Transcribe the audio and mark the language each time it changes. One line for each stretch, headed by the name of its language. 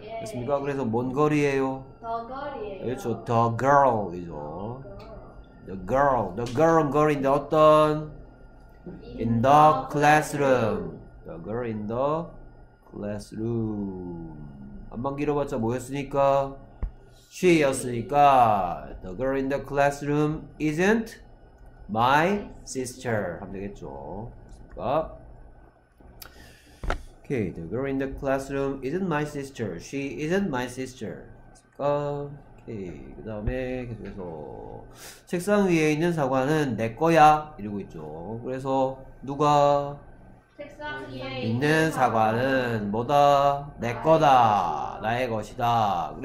Korean: 맞습니까? 그래서 먼 거리예요. 그렇죠. The girl이죠. The girl은 거리인데 어떤?
English: In the classroom. The girl in the classroom.
Korean: 앞만 길어봤자 뭐였으니까? She였으니까.
English: The girl in the classroom isn't my sister.
Korean: 하면 되겠죠. 그러니까.
English: Okay. The girl in the classroom isn't my sister. She isn't my sister. 그러니까.
Korean: 예, 그 다음에 계속해서 책상 위에 있는 사과는 내 거야 이러고 있죠. 그래서 누가 책상 위에 있는 있는 사과는 사과는 뭐다? 내 나의 거다, 것이다. 나의 것이다.